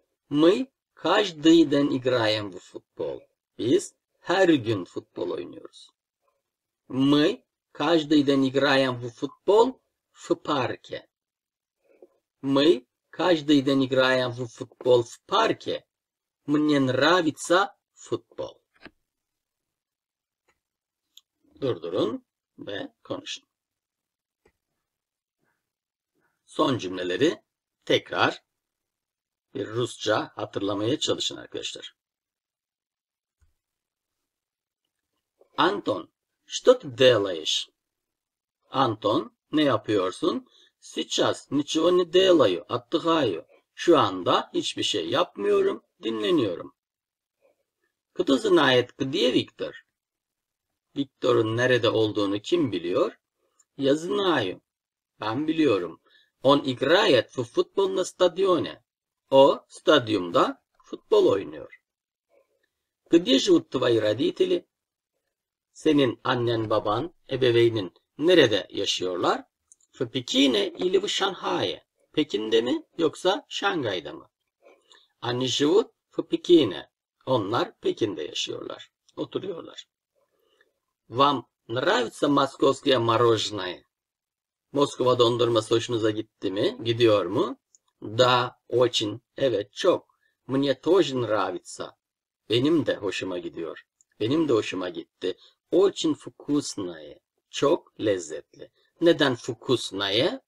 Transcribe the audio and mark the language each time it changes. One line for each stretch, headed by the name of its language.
Russian: Мы каждый день играем в футбол.
Turkish: Biz her gün futbol oynuyoruz.
Russian: Мы каждый день играем в футбол в парке. Мы каждый день играем в футбол в парке. Мне нравится футбол.
Turkish: Durdurun ve konuşun. Son cümleleri tekrar bir Rusça hatırlamaya çalışın arkadaşlar.
Russian: Anton, что ты делаешь?
Turkish: Anton, ne yapıyorsun?
Russian: Сейчас ничего не делаю, отдыхаю.
Turkish: Şu anda hiçbir şey yapmıyorum, dinleniyorum.
Russian: Кто знает, где Виктор?
Turkish: Виктор'un nerede olduğunu kim biliyor?
Russian: Я знаю.
Turkish: Ben biliyorum.
Russian: Он играет в футбол на стадионе.
Turkish: O stadyumda futbol oynuyor.
Russian: Где живут твои родители?
Turkish: Senin annen, baban, ebeveynin nerede yaşıyorlar?
Russian: В Пекине или в Шанхае?
Turkish: Pekin'de mi yoksa Şangay'da mı?
Russian: Они живут в Пекине.
Turkish: Onlar Pekin'de yaşıyorlar, oturuyorlar.
Russian: Вам нравится московское мороженое?
Turkish: Moskova dondurması hoşunuza gitti mi? Gidiyor mu?
Russian: Da, очень.
Turkish: Evet, çok.
Russian: Мне тоже нравится.
Turkish: Benim de hoşuma gidiyor. Benim de hoşuma gitti.
Russian: Очень вкусное.
Turkish: Çok lezzetli. Neden
Russian: вкусное?